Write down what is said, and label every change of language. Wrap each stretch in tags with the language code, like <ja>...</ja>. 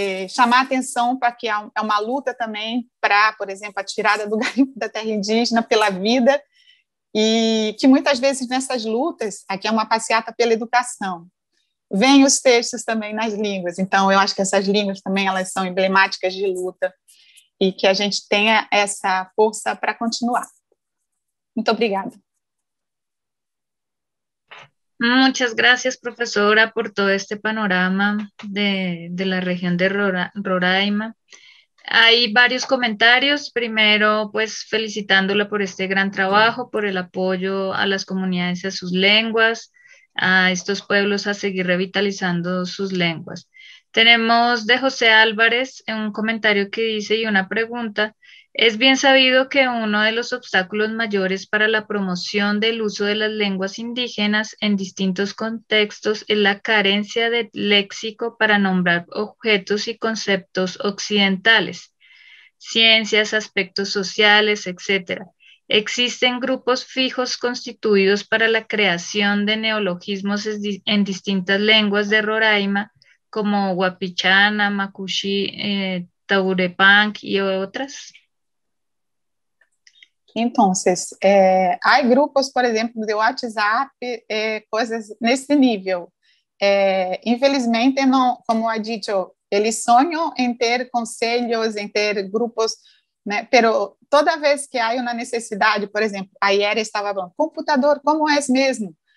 <pt>Chamar atenção para que é uma luta também para, por exemplo, a tirada do garimpo da terra indígena pela vida, e que muitas vezes nessas lutas, aqui é uma passeata pela educação, vêm os textos também nas línguas. Então, eu acho que essas línguas também elas são emblemáticas de luta e que a gente tenha essa força para continuar. Muito obrigada.</pt> <es>Muchas gracias, profesora, por todo este panorama de la región de Roraima. Hay varios comentarios. Primero, pues, felicitándola por este gran trabajo, por el apoyo a las comunidades, a sus lenguas, a estos pueblos, a seguir revitalizando sus lenguas. Tenemos de José Álvarez un comentario que dice y una pregunta. Es bien sabido que uno de los obstáculos mayores para la promoción del uso de las lenguas indígenas en distintos contextos es la carencia de léxico para nombrar objetos y conceptos occidentales, ciencias, aspectos sociales, etc. ¿Existen grupos fijos constituidos para la creación de neologismos en distintas lenguas de Roraima, como Wapichana, Makushi, Taurepang y otras?</es> <pt>Então, há grupos, por exemplo, de WhatsApp, coisas nesse nível. Infelizmente, não,</pt> <es>como ha dicho,</es> <pt>eles sonham em ter conselhos, em ter grupos, né? Pero toda vez que há uma necessidade, por exemplo, a Iera estava falando, computador, como é mesmo?</pt>